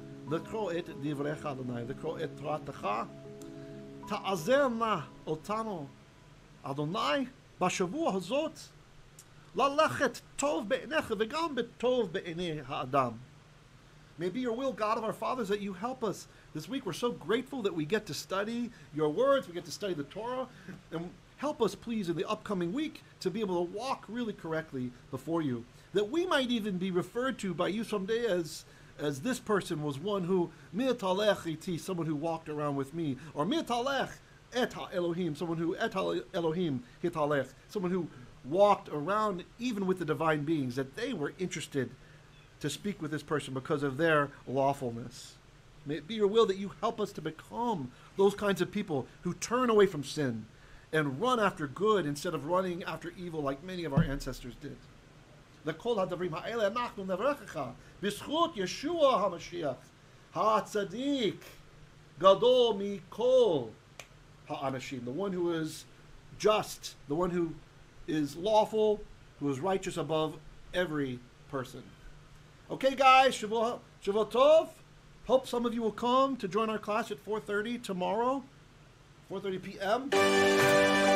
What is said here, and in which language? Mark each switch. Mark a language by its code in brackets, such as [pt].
[he] לקרוא את דבריך אדוני, לקרוא את תורתך, תעזר נא אותנו, אדוני, בשבוע הזאת, ללכת טוב בעיניך וגם בטוב בעיני האדם. [en] May it be your will, God of our fathers, that you help us this week. We're so grateful that we get to study your words, we get to study the Torah, and help us, please, in the upcoming week to be able to walk really correctly before you, that we might even be referred to by you someday as this person was one who, [he] mi'atalech iti, [en] someone who walked around with me, or [he] mi'atalech et ha-Elohim, [en] someone who [he] et ha-Elohim hitalech, [en] someone who walked around even with the divine beings, that they were interested to speak with this person because of their lawfulness. May it be your will that you help us to become those kinds of people who turn away from sin and run after good instead of running after evil like many of our ancestors did. [he] לכל הדברים האלה אנחנו נברכך בזכות ישוע המשיח, הצדיק גדול מכל האנשים. [en] The one who is just, the one who is lawful, who is righteous above every person. Okay, guys, Shavuot Tov. Hope some of you will come to join our class at 4:30 tomorrow, 4:30 p.m.